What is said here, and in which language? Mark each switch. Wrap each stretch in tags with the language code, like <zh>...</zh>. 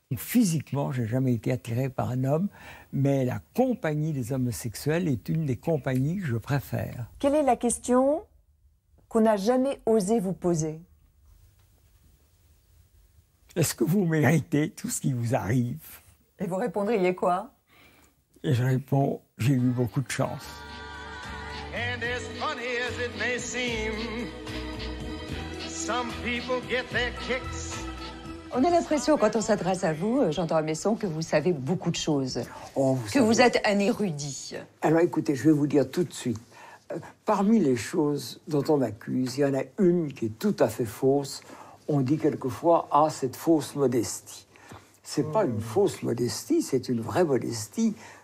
<fr>Physiquement, je n'ai jamais été attiré par un homme, mais la compagnie des homosexuels est une des compagnies que je préfère. Quelle est la question qu'on n'a jamais osé vous poser? Est-ce que vous méritez tout ce qui vous arrive? Et vous répondriez quoi? Et je réponds, j'ai eu beaucoup de chance.</fr> <en>And as funny as it may seem, some people get their kicks.</en> <fr>On a l'impression, quand on s'adresse à vous, j'entends Messon, que vous savez beaucoup de choses. Vous êtes un érudit. Alors écoutez, je vais vous dire tout de suite. Parmi les choses dont on m'accuse, il y en a une qui est tout à fait fausse. On dit quelquefois, ah, cette fausse modestie. C'est pas une fausse modestie, c'est une vraie modestie.</fr>